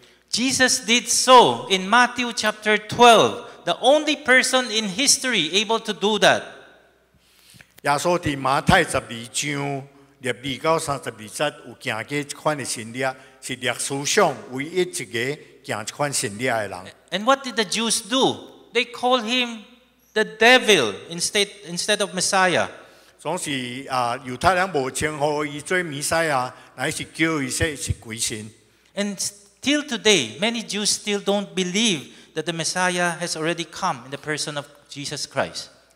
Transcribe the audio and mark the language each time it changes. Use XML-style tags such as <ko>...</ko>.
<en>Jesus did so in Matthew chapter 12, the only person in history able to do that.</en> <nan>耶稣在马太十二章12到32节有行这款的神力，是历史上唯一一个行这款神力的人。</nan> <en>And what did the Jews do? They called him the devil instead of Messiah.</en> <nan>总是犹太人无称呼伊做弥赛亚，乃是叫伊说是鬼神。</nan> <en>And till today, many Jews still don't believe that the Messiah has already come in the person of Jesus Christ.</en>